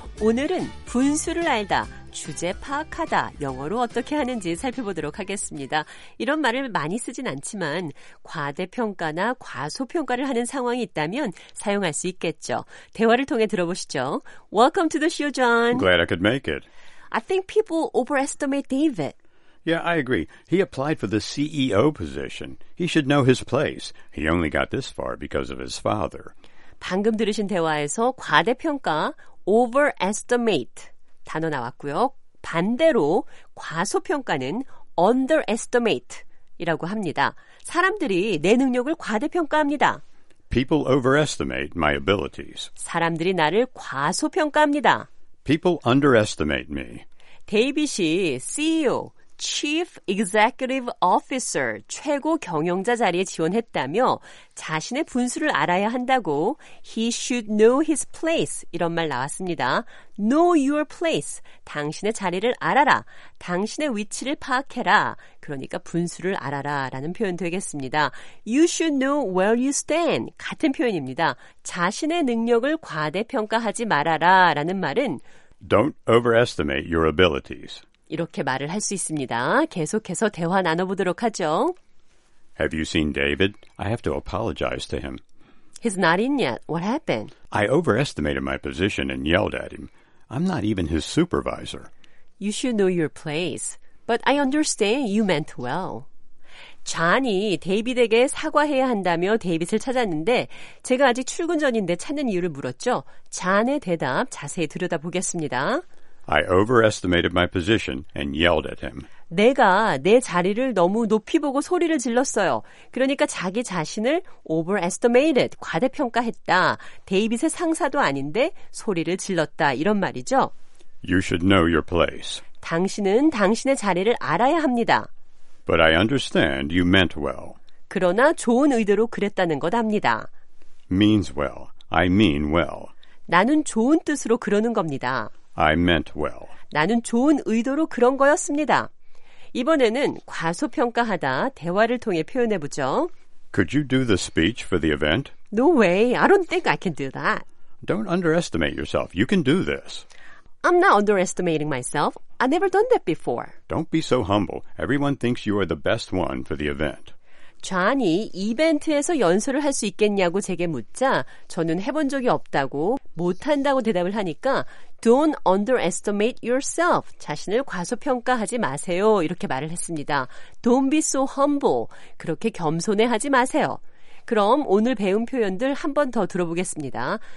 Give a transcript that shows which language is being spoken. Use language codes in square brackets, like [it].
[ko] 오늘은 분수를 알다, 주제 파악하다, 영어로 어떻게 하는지 살펴보도록 하겠습니다. 이런 말을 많이 쓰진 않지만 과대평가나 과소평가를 하는 상황이 있다면 사용할 수 있겠죠. 대화를 통해 들어보시죠. [en] Welcome to the show, John. Glad I could make it. I think people overestimate David. Yeah, I agree. He applied for the CEO position. He should know his place. He only got this far because of his father. [ko] 방금 들으신 대화에서 과대평가, overestimate 단어 나왔고요. 반대로 과소평가는 underestimate 이라고 합니다. 사람들이 내 능력을 과대평가합니다. [en] People overestimate my abilities. [ko] 사람들이 나를 과소평가합니다. [en] People underestimate me. [ko] 데이빗이 CEO, Chief Executive Officer, 최고 경영자 자리에 지원했다며 자신의 분수를 알아야 한다고 [en] He should know his place, [ko] 이런 말 나왔습니다. [en] Know your place, [ko] 당신의 자리를 알아라, 당신의 위치를 파악해라, 그러니까 분수를 알아라 라는 표현 되겠습니다. [en] You should know where you stand, [ko] 같은 표현입니다. 자신의 능력을 과대평가하지 말아라 라는 말은 [en] Don't overestimate your abilities. [ko] 이렇게 말을 할 수 있습니다. 계속해서 대화 나눠보도록 하죠. [en] Have you seen David? I have to apologize to him. He's not in yet. What happened? I overestimated my position and yelled at him. I'm not even his supervisor. You should know your place. But I understand you meant well. [ko] 존이 데이빗에게 사과해야 한다며 데이빗을 찾았는데 제가 아직 출근 전인데 찾는 이유를 물었죠. 존의 대답 자세히 들여다보겠습니다. [en] I overestimated my position and yelled at him. [ko] 내가 내 자리를 너무 높이 보고 소리를 질렀어요. 그러니까 자기 자신을 overestimated, 과대평가했다. 데이빗의 상사도 아닌데 소리를 질렀다. 이런 말이죠. [en] You should know your place. [ko] 당신은 당신의 자리를 알아야 합니다. [en] But I understand you meant well. [ko] 그러나 좋은 의도로 그랬다는 것 압니다. [en] Means well. I mean well. [ko] 나는 좋은 뜻으로 그러는 겁니다. [en] I meant well. [ko] 나는 좋은 의도로 그런 거였습니다. 이번에는 과소평가하다 대화를 통해 표현해 보죠. [en] Could you do the speech for the event? No way. I don't think I can do that. Don't underestimate yourself. You can do this. I'm not underestimating myself. I've never done that before. Don't be so humble. Everyone thinks you are the best one for the event. [ko] 존이 이벤트에서 연설을 할 수 있겠냐고 제게 묻자 저는 해본 적이 없다고 못한다고 대답을 하니까 [en] Don't underestimate yourself. [ko] 자신을 과소평가하지 마세요. 이렇게 말을 했습니다. [en] Don't be so humble. [ko] 그렇게 겸손해하지 마세요. 그럼 오늘 배운 표현들 한 번 더 들어보겠습니다.